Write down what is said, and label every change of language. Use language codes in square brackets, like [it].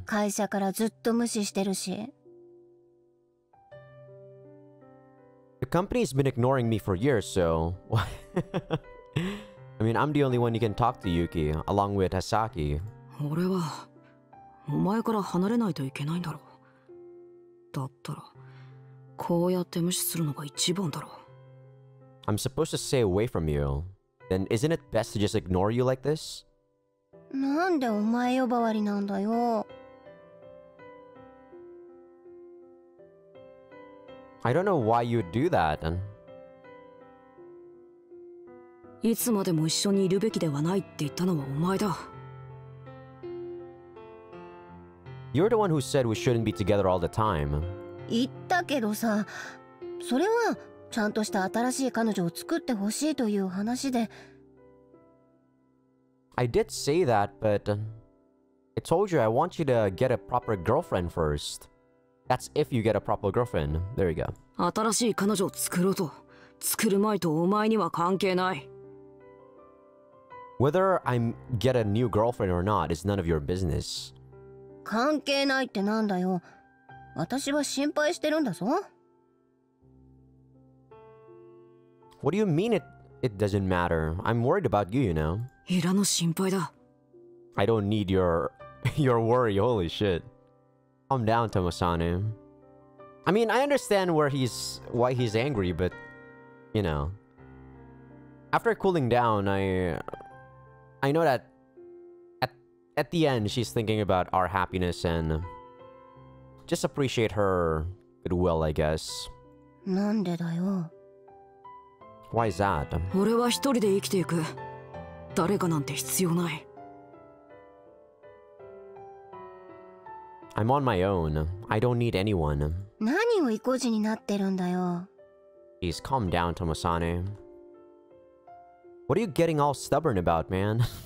[ja] 会社からずっと無視してるし。 [en] The company's been ignoring me for years, so... I mean, I'm the only one you can talk to, Yuki, along with Asaki. [ja] 俺は、お前から離れないといけないんだろう。だったら、こうやって無視するのが一番だろう。 [en] I'm supposed to stay away from you. Then isn't it best to just ignore you like this? [ja] なんでお前呼ばわりなんだよ。 [en] I don't know why you'd do that. [ja] いつまでも一緒にいるべきではないって言ったのはお前だ。 [en] You're the one who said we shouldn't be together all the time. [ja] 言ったけどさ、それはちゃんとした新しい彼女を作ってほしいという話で。 [en] I did say that, but I told you I want you to get a proper girlfriend first. That's if you get a proper girlfriend. There you go. [ja] 新しい彼女を作ろうと、作る前とお前には関係ない。 [en] Whether I get a new girlfriend or not is none of your business. [ja] 関係ないってなんだよ。私は心配してるんだぞ。 [en] What do you mean it doesn't matter? I'm worried about you, you know. [ja] いらの心配だ。 [en] I don't need your worry, holy shit. Calm down, Tomosane. I mean, I understand why he's angry, but, you know. After cooling down, I know that at the end, she's thinking about our happiness and just appreciate her goodwill, I guess. [ja] なんでだよ? [en] Why is that? [ja] 俺は一人で生きていく。誰かなんて必要ない。 [en] I'm on my own. I don't need anyone. [ja] 何を意固地になってるんだよ。 [en] Please calm down, Tomosane. What are you getting all stubborn about, man?